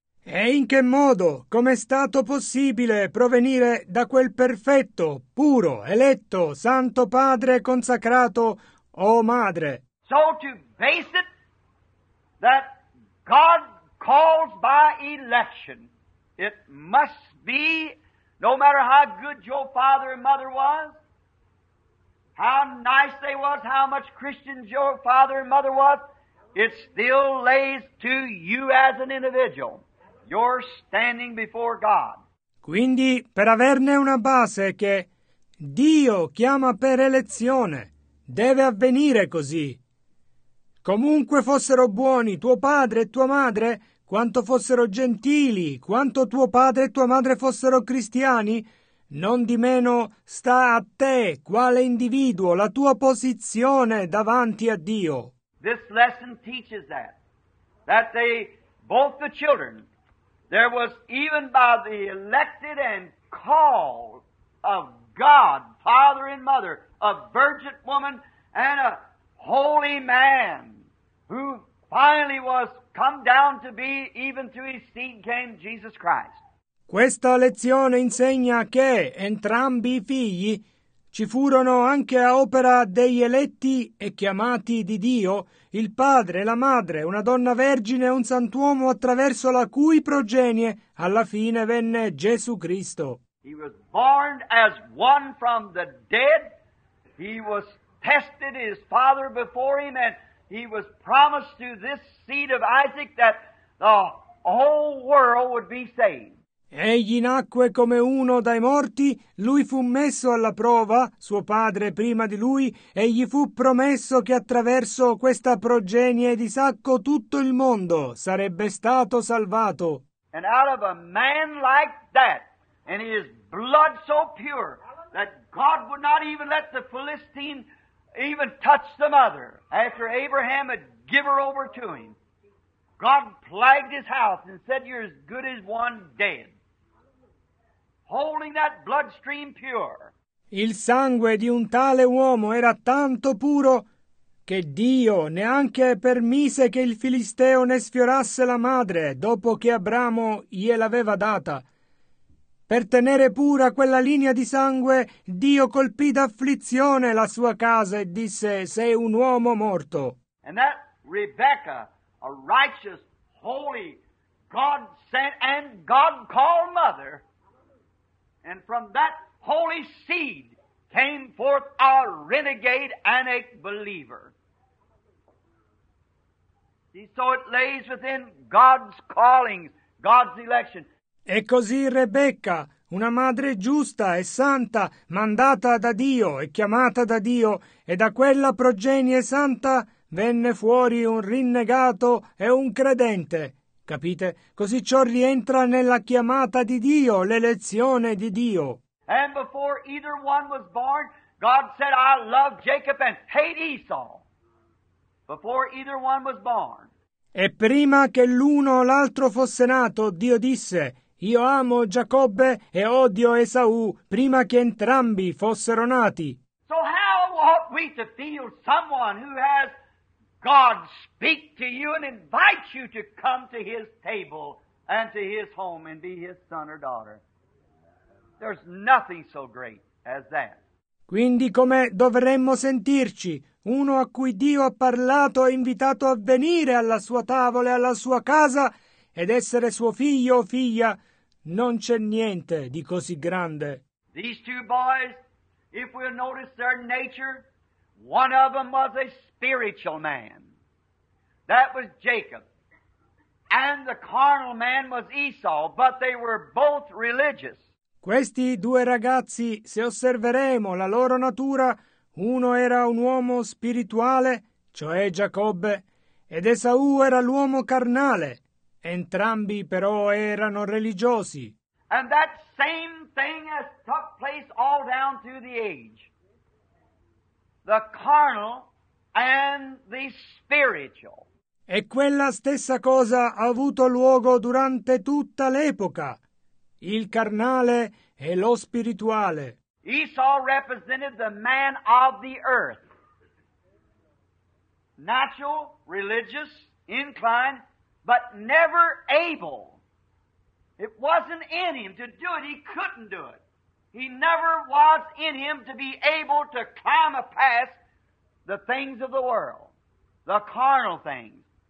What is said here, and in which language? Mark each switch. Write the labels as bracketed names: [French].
[Italian] E in che modo, com'è stato possibile provenire da quel perfetto, puro, eletto, santo padre consacrato o madre? [English] So to base it that God calls by election. It must be, no matter how good your father and mother was, how nice they was, how much Christians your father and mother was, it still lays to you as an individual. You're standing before God. [Italian] Quindi, per averne una base che Dio chiama per elezione, deve avvenire così. Comunque fossero buoni tuo padre e tua madre, quanto fossero gentili, quanto tuo padre e tua madre fossero cristiani, non di meno sta a te, quale individuo, la tua posizione davanti a Dio. [English] This lesson teaches that they, both the children, there was even by the elected and called of God, father and mother, a virgin woman and a holy man who finally was come down to be, even to his seed came Jesus Christ. [Italian] Questa lezione insegna che entrambi i figli ci furono anche a opera degli eletti e chiamati di Dio, il padre, la madre, una donna vergine e un sant'uomo attraverso la cui progenie alla fine venne Gesù Cristo. [English] He was born as one from the dead. He was tested his father before him and he was promised to this seed of Isaac that the whole world would be saved. [Italian] Egli nacque come uno dai morti, lui fu messo alla prova, suo padre prima di lui, e gli fu promesso che attraverso questa progenie di Isacco tutto il mondo sarebbe stato salvato. [English] And out of a man like that, and his blood so pure, that God would not even let the Philistine even touch the mother, after Abraham had given her over to him. God plagued his house and said, you're as good as one dead. Holding that bloodstream pure. [Italian] Il sangue di un tale uomo era tanto puro che Dio neanche permise che il Filisteo ne sfiorasse la madre dopo che Abramo gliel'aveva data. Per tenere pura quella linea di sangue, Dio colpì d'afflizione la sua casa e disse, sei un uomo morto. [English] And that Rebecca, a righteous, holy, God-sent and God-called mother. And from that holy seed came forth a renegade and a believer. See, so it lays within God's calling, God's election. [Italian] E così Rebecca, Una madre giusta e santa, mandata da Dio e chiamata da Dio, e da quella progenie santa venne fuori un rinnegato e un credente. Capite? Così ciò rientra nella chiamata di Dio, l'elezione di Dio. [English] And before either one was born, God said, I love Jacob and hate Esau. Before either one was born. [Italian] E prima che l'uno o l'altro fosse nato, Dio disse, io amo Giacobbe e odio Esau, prima che entrambi fossero nati. [English] So how ought we to feel someone who has God speak to you and invite you to come to his table and to his home and be his son or daughter? There's nothing so great as that. [Italian] Quindi come dovremmo sentirci? Uno a cui Dio ha parlato e invitato a venire alla sua tavola e alla sua casa ed essere suo figlio o figlia, non c'è niente di così grande. [English] These two boys, if we'll notice their nature, one of them was a spiritual man. That was Jacob. And the carnal man was Esau, but they were both religious. [Italian] Questi due ragazzi, se osserveremo la loro natura, uno era un uomo spirituale, cioè Giacobbe, ed Esau era l'uomo carnale. Entrambi però erano religiosi. [English] And that same thing has took place all down through the age. The carnal and the spiritual. [Italian] E quella stessa cosa ha avuto luogo durante tutta l'epoca. Il carnale e lo spirituale. [English] Esau represented the man of the earth. Natural, religious, inclined, but never able. It wasn't in him to do it. He couldn't do it. He never was in him to be able to climb a path the things of the world, the carnal things.